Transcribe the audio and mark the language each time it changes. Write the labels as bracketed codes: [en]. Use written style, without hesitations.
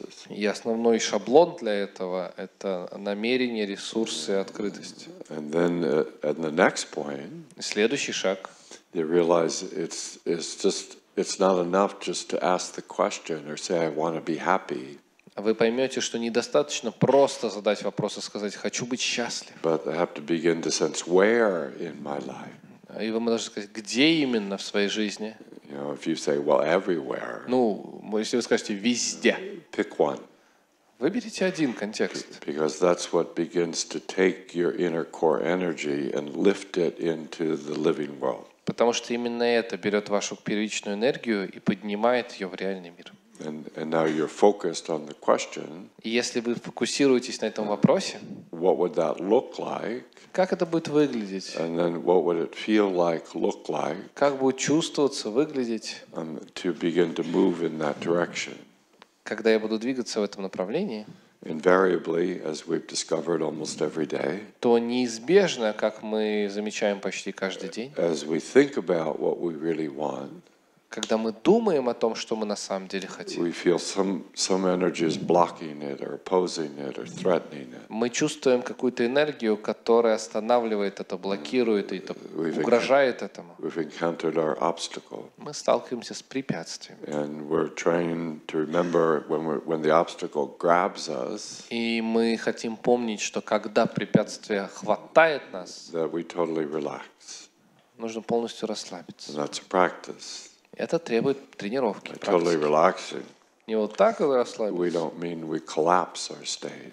[ru] И основной шаблон для этого – это намерение, ресурсы, открытость. [en] And then, at the next point, [ru] следующий шаг. [en] You realize it's not enough just to ask the question or say, I want to be happy. [ru] Вы поймете, что недостаточно просто задать вопрос и сказать «хочу быть счастлив». [en] But I have to begin to sense where in my life. [ru] И вы можете сказать, где именно в своей жизни? [en] You know, if you say, well, everywhere. [ru] Ну, если вы скажете «везде». [en] Pick one. [ru] Выберите один контекст. [en] Because that's what begins to take your inner core energy and lift it into the living world. [ru] Потому что именно это берет вашу первичную энергию и поднимает ее в реальный мир. [en] And now you're focused on the question. [ru] Если вы фокусируетесь на этом вопросе, [en] what would that look like? [ru] Как это будет выглядеть? [en] And then what would it feel like, look like? [ru] Как будет чувствоваться, выглядеть? [en] And to begin to move in that direction. [ru] Когда я буду двигаться в этом направлении? [en] Invariably, as we've discovered almost every day. [ru] То неизбежно, как мы замечаем почти каждый день. [en] As we think about what we really want. [ru] Когда мы думаем о том, что мы на самом деле хотим, [en] we feel some energy is blocking it or opposing it or threatening it. [ru] Мы чувствуем какую-то энергию, которая останавливает это, блокирует это, угрожает этому. [en] We've encountered our obstacle. [ru] Мы сталкиваемся с препятствием. [en] And we're trying to remember when the obstacle grabs us. [ru] И мы хотим помнить, что когда препятствие хватает нас, [en] that we totally relax. [ru] Нужно полностью расслабиться. [en] And that's a practice. [ru] Это требует тренировки, практики. [en] Totally relaxing. [ru] Не вот так вы расслабились. [en] We don't mean we collapse our state.